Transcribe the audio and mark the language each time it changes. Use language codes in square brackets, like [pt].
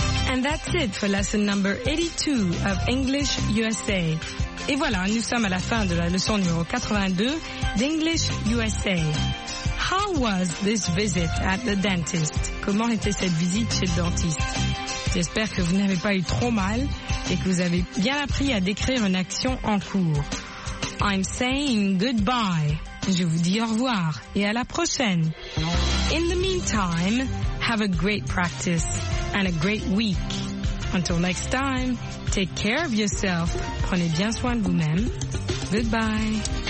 [en] And that's it for lesson number 82 of English USA. [fr] Et voilà, nous sommes à la fin de la leçon numéro 82 d'English USA. [en] How was this visit at the dentist? [fr] Comment était cette visite chez le dentiste? J'espère que vous n'avez pas eu trop mal et que vous avez bien appris à décrire une action en cours. [en] I'm saying goodbye. [fr] Je vous dis au revoir et à la prochaine. [en] In the meantime, have a great practice and a great week. Until next time, take care of yourself. [fr] Prenez bien soin de vous-même. [en] Goodbye.